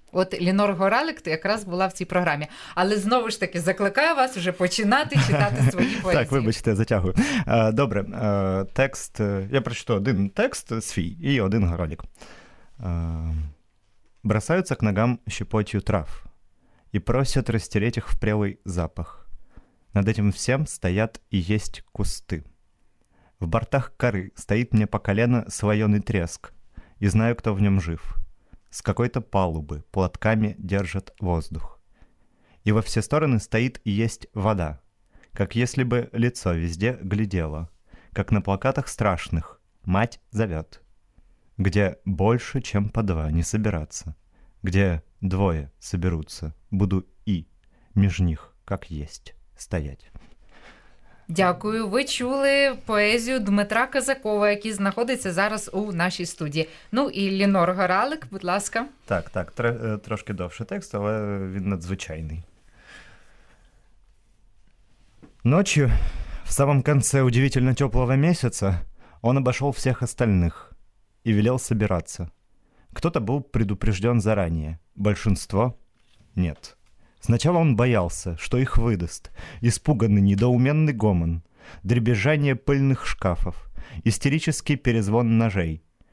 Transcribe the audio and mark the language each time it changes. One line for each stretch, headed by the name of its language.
Ukrainian: От Лінор Горалік якраз була в цій програмі. Але знову ж таки закликаю вас вже починати читати свої поезії. Так, вибачте, затягую. Добре, текст. Я прочитаю один текст свій і один Горалік.
Russian: Бросаються к ногам щепотью трав і просят розтереть їх в прелий запах. Над этим всем стоят и есть кусты. В бортах коры стоит мне по колено слоёный треск, и знаю, кто в нём жив. С какой-то палубы платками держат воздух. И во все стороны стоит и есть вода, как если бы лицо везде глядело, как на плакатах страшных «Мать зовет», где больше, чем по два не собираться, где двое соберутся, буду и меж них, как есть, стоять».
Ukrainian: Дякую, ви чули поезію Дмитра Козакова, який знаходиться зараз у нашій студії. Ну і Лінор Горалик, будь ласка. Так, трошки довший текст, але він надзвичайний.
Russian: Ночью, в самом конце удивительно теплого месяца, он обошел всех остальных и велел собираться. Кто-то был предупрежден заранее, большинство — нет. Сначала он боялся, что их выдаст. Испуганный недоуменный гомон, дребезжание пыльных шкафов, истерический перезвон ножей.